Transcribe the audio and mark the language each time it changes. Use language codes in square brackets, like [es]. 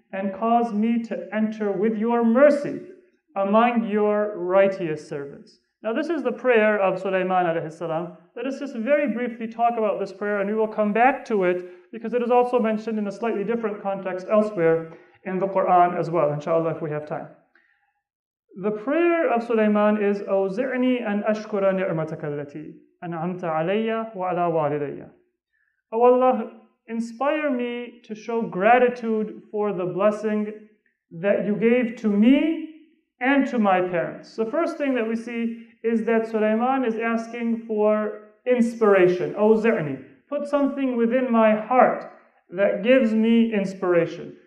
[en] And cause me to enter with your mercy among your righteous servants. Now this is the prayer of Sulayman alayhi salam. Let us just very briefly talk about this prayer and we will come back to it because it is also mentioned in a slightly different context elsewhere in the Quran as well, inshallah, if we have time. The prayer of Sulayman is, [ar] أوزعني أن أشكر نعمتك التي أنعمت علي وعلى والدي. [en] O Allah, inspire me to show gratitude for the blessing that you gave to me and to my parents. The first thing that we see is that Sulayman is asking for inspiration. [ar] أوزعني. [en] Put something within my heart that gives me inspiration.